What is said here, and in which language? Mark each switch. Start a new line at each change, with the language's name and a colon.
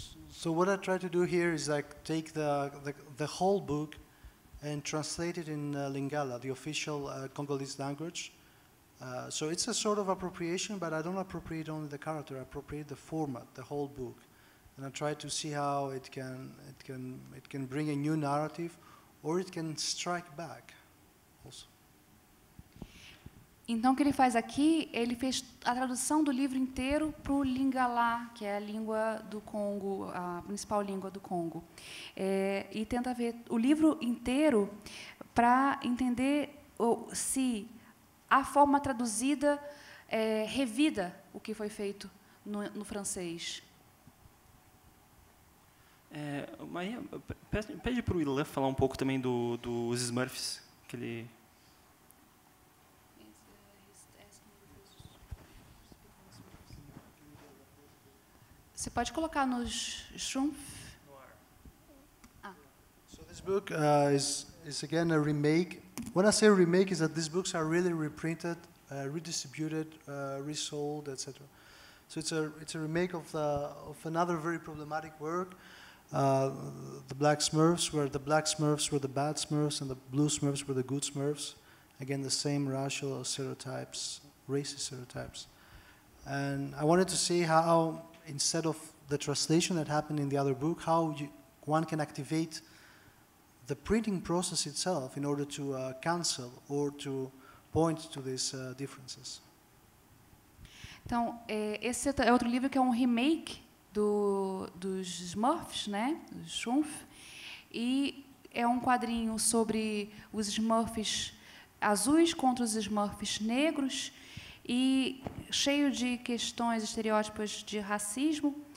English: So what I try to do here is like take the whole book and translate it in Lingala, the official Congolese language. So it's a sort of appropriation, but I don't appropriate only the character, I appropriate the format, the whole book. And I try to see how it can bring a new narrative, or it can strike back also.
Portuguese: Então, o que ele faz aqui, ele fez a tradução do livro inteiro para o Lingala, que é a língua do Congo, a principal língua do Congo. E tenta ver o livro inteiro para entender se... a forma traduzida revida o que foi feito no francês. Maria, pede para o Ilan falar um pouco também dos Smurfs, que ele... Você pode colocar nos Schumpf?
English: So this book is again a remake. When I say remake, is that these books are really reprinted, redistributed, resold, etc. So it's a remake of another very problematic work, the Black Smurfs, where the Black Smurfs were the bad Smurfs and the Blue Smurfs were the good Smurfs. Again, the same racial stereotypes, racist stereotypes. And I wanted to see how, instead of the translation that happened in the other book, how one can activate the printing process itself in order to cancel or to point to these differences.
Portuguese: Então, esse é outro livro que é um remake dos Smurfs, né? Do Schumpf. E é um quadrinho sobre os Smurfs azuis contra os Smurfs negros e cheio de questões, estereótipos de racismo.